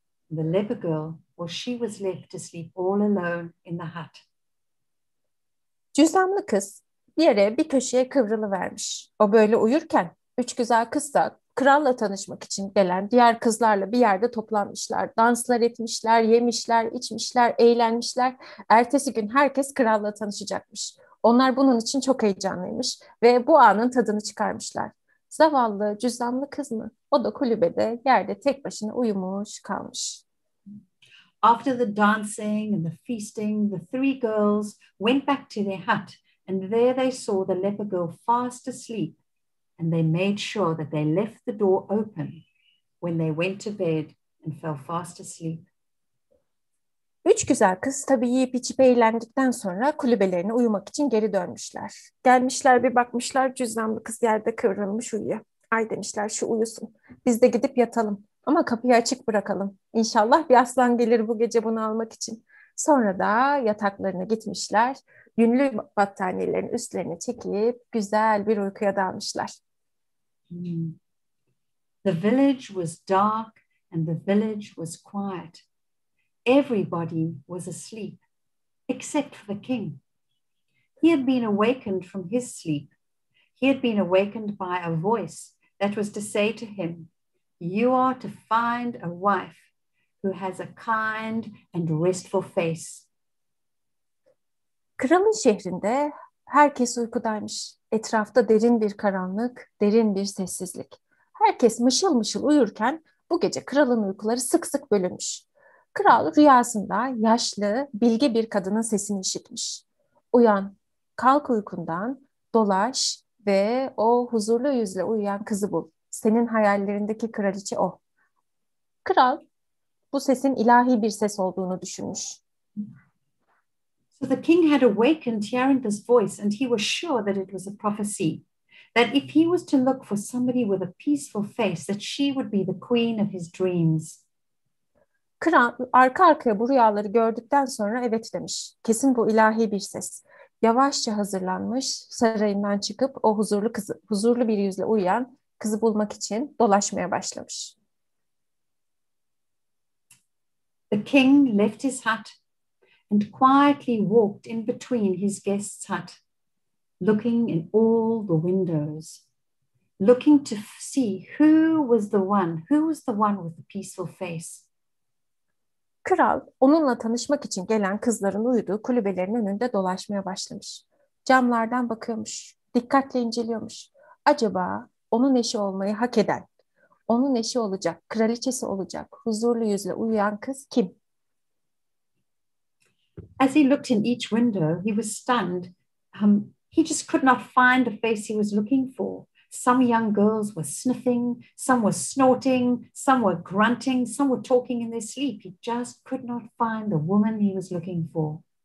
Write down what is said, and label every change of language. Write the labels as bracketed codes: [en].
[en] The leper girl, well, she was left to sleep all alone in the hut. [tr] Cüzdanlı kız yere bir köşeye kıvrılıvermiş. O böyle uyurken üç güzel kız da kralla tanışmak için gelen diğer kızlarla bir yerde toplanmışlar. Danslar etmişler, yemişler, içmişler, eğlenmişler. Ertesi gün herkes kralla tanışacakmış. Onlar bunun için çok heyecanlıymış ve bu anın tadını çıkarmışlar. Zavallı, cüzdanlı kız mı? O da kulübede, yerde tek başına uyumuş kalmış. [en] After the dancing and the feasting, the three girls went back to their hut and there they saw the leper girl fast asleep. And they made sure that they left the door open when they went to bed and fell fast asleep. [tr] Üç güzel kız tabii yiyip içip eğlendikten sonra kulübelerine uyumak için geri dönmüşler. Gelmişler bir bakmışlar cüzdanlı kız yerde kıvrılmış uyuyor. Ay demişler şu uyusun. Biz de gidip yatalım ama kapıyı açık bırakalım. İnşallah bir aslan gelir bu gece bunu almak için. Sonra da yataklarına gitmişler. Yünlü battaniyelerin üstlerini çekip güzel bir uykuya dalmışlar. [en] The village was dark and the village was quiet. Everybody was asleep, except for the king. He had been awakened from his sleep. He had been awakened by a voice that was to say to him, "You are to find a wife who has a kind and restful face." [tr] Kralın şehrinde herkes uykudaymış. Etrafta derin bir karanlık, derin bir sessizlik. Herkes mışıl mışıl uyurken bu gece kralın uykuları sık sık bölünmüş. Kral rüyasında yaşlı, bilge bir kadının sesini işitmiş. Uyan, kalk uykundan, dolaş ve o huzurlu yüzle uyuyan kızı bul. Senin hayallerindeki kraliçe o. Kral bu sesin ilahi bir ses olduğunu düşünmüş. [en] So the king had awakened hearing this voice and he was sure that it was a prophecy, that if he was to look for somebody with a peaceful face that she would be the queen of his dreams. [tr] Kral arka arkaya bu rüyaları gördükten sonra evet demiş. Kesin bu ilahi bir ses. Yavaşça hazırlanmış sarayından çıkıp o huzurlu kızı, huzurlu bir yüzle uyuyan kızı bulmak için dolaşmaya başlamış. [en] The king left his hut and quietly walked in between his guest's hut, looking in all the windows, looking to see who was the one, who was the one with the peaceful face. [tr] Kral, onunla tanışmak için gelen kızların uyuduğu kulübelerin önünde dolaşmaya başlamış. Camlardan bakıyormuş, dikkatle inceliyormuş. Acaba onun eşi olmayı hak eden, onun eşi olacak, kraliçesi olacak, huzurlu yüzle uyuyan kız kim? [en] As he looked in each window, he was stunned. He just could not find the face he was looking for. Some young girls were sniffing, some were snorting, some were grunting, some were talking in their sleep. He just could not find the woman he was looking for.